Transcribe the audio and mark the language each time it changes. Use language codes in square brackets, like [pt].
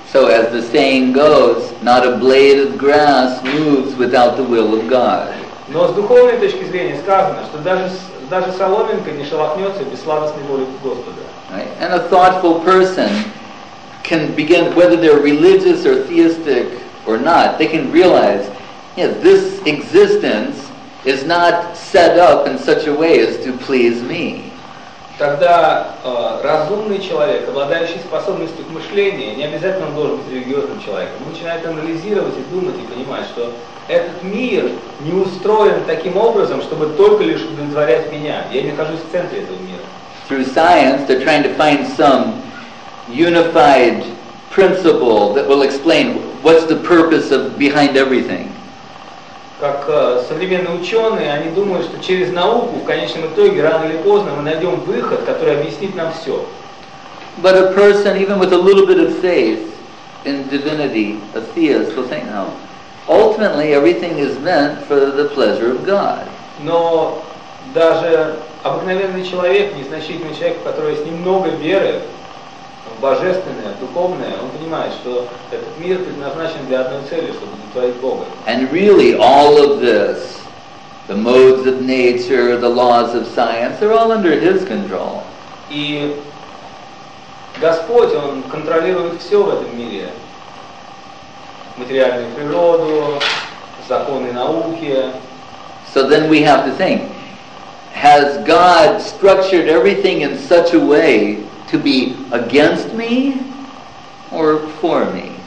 [en] So as the saying goes, not a blade of grass moves without the will of God. [ru] Но с духовной точки зрения сказано, что даже соломинка не шелохнется без сладостной воли Господа. [en] Right? And a thoughtful person can begin, whether they're religious or theistic or not, they can realize, yeah, this existence is not set up in such a way as to please me. [ru] Тогда разумный человек, обладающий способностью к мышлению, не обязательно он должен быть религиозным человеком, начинает анализировать и думать, и понимать, что этот мир не устроен таким образом, чтобы только лишь удовлетворять меня. Я нахожусь в центре этого мира. [en] Through science, they're trying to find some unified principle that will explain what's the purpose of behind everything. [ru] Как современные ученые, они думают, что через науку, в конечном итоге, рано или поздно, мы найдем выход, который объяснит нам все. [en] But a person, even with a little bit of faith in divinity, a theist, will think, no, ultimately, everything is meant for the pleasure of God. [ru] Но даже обыкновенный человек, незначительный человек, у которого есть немного веры, божественное, духовное, он понимает, что этот мир предназначен для одной цели, чтобы удовлетворить Бога. [en] And really all of this, the modes of nature, the laws of science, they're all under his control. [ru] И Господь, Он контролирует все в этом мире. Материальную природу, законы науки. [en] So then we have to think, has God structured everything in such a way to be against me or for me?